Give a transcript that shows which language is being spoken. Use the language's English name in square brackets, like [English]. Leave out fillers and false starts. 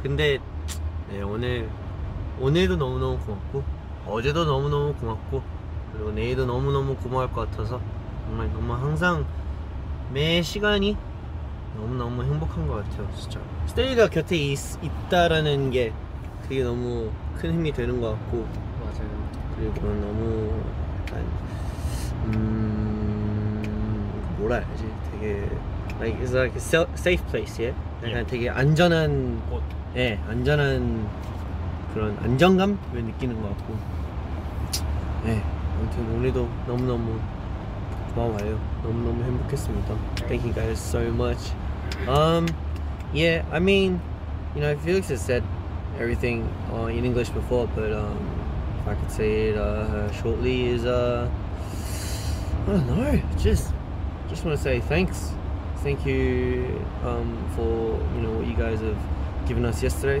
[Korean] 근데 네, 오늘도 너무너무 고맙고 어제도 너무너무 고맙고 그리고 내일도 너무너무 고마울 것 같아서 정말 너무 항상 매 시간이 너무너무 행복한 것 같아요. 진짜 스테이가 곁에 있다라는 게 그게 너무 큰 힘이 되는 것 같고 맞아요. 그리고 너무 약간 뭐라 해야 되지? 되게 [English] like it's like a safe place, yeah? [Korean] 약간 yeah. 되게 안전한 곳. 예, 네, 안전한 그런 안정감을 느끼는 것 같고 예. 네. 아무튼 오늘도 너무너무 고마워요. 너무너무 행복했습니다. [English] Thank you guys so much. Yeah, I mean, you know, Felix has said everything in English before, but if I could say it shortly is, I don't know, just want to say thanks. Thank you for, you know, what you guys have given us yesterday.